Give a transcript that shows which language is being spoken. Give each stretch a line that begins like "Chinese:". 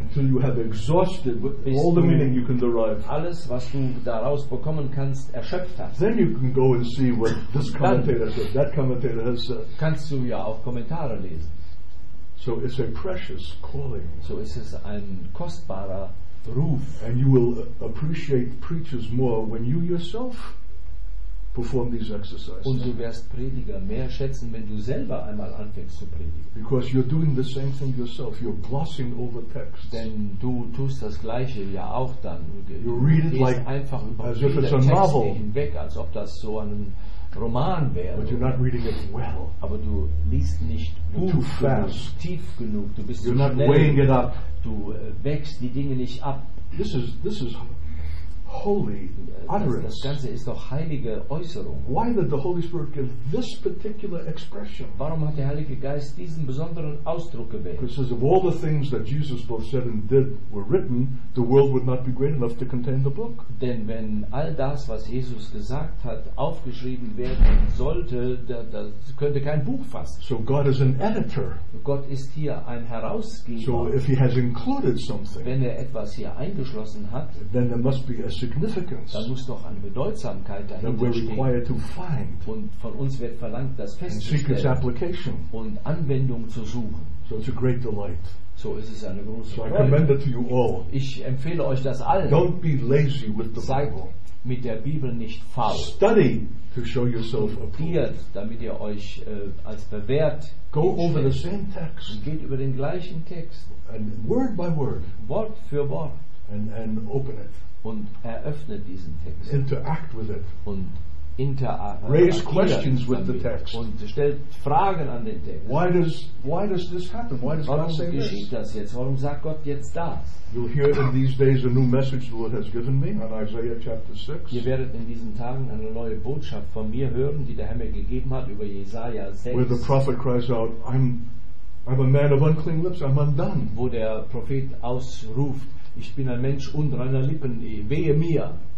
English: Until you have exhausted all the meaning you can derive.
German: Alles, was du daraus bekommen kannst, erschöpft hast.
English: Then you can go and see what this commentator said, that commentator has said.
German: Kannst du ja auch Kommentare lesen.
English: So it's a precious calling.
German: So ist es ein kostbarer Ruf.
English: And you will appreciate preachers more when you yourself perform these exercises.
German: Und du wirst Prediger mehr schätzen, wenn du selber einmal anfängst zu predigen.
English: Because you're doing the same thing yourself. You're glossing over texts.
German: Denn du tust das Gleiche ja auch dann.
English: You read it like
German: einfach über
English: as if it's a novel.
German: Hinweg, als ob das so ein Roman wäre.
English: But you're not reading it well.
German: Aber du liest nicht gut,
English: too fast.
German: Genug, tief genug. Du bist
English: you're
German: zu
English: not
German: schnell.
English: Weighing it up.
German: Du wächst die Dinge nicht ab.
English: This is holy utterance.
German: Das Ganze ist doch heilige Äußerung.
English: Why did the Holy Spirit give this particular expression?
German: Warum hat der Heilige Geist diesen besonderen Ausdruck gewählt?
English: Because of all the things that Jesus both said and did were written, the world would not be great enough to contain the book.
German: Denn wenn all das, was Jesus gesagt hat, aufgeschrieben werden sollte, das könnte kein Buch fassen.
English: So God is an editor.
German: Gott ist hier ein Herausgeber.
English: So if he has included something,
German: wenn er etwas hier eingeschlossen hat,
English: then there must be a significance.
German: Dann muss doch eine Bedeutsamkeit dahinter stehen. Und von uns wird verlangt, das festzustellen und Anwendung zu suchen.
English: So, it's a great delight.
German: So ist es eine große
English: Freude. So I commend it to you all.
German: Ich empfehle euch das allen.
English: Don't be lazy with the Bible.
German: Seid mit der Bibel nicht faul.
English: Study to show yourself approved.
German: Damit ihr euch als bewährt
English: go over the same text.
German: Und geht über den gleichen Text.
English: And word by word.
German: Wort für Wort.
English: And open it.
German: Und eröffne diesen Text.
English: Interact with it.
German: Und
English: raise questions with the text.
German: Und stellt Fragen an den Text.
English: Why does this happen? Why does
German: warum
English: God say
German: geschieht Das jetzt? Warum sagt Gott jetzt das?
English: You'll hear in these days a new message the Lord has given me on Isaiah chapter 6.
German: Ihr werdet in diesen Tagen eine neue Botschaft von mir hören, die der Herr mir gegeben hat über Jesaja 6.
English: Where the prophet cries out, I'm a man of unclean lips, I'm undone.
German: Wo der Prophet ausruft, ich bin ein Mensch unreiner Lippen, wehe mir.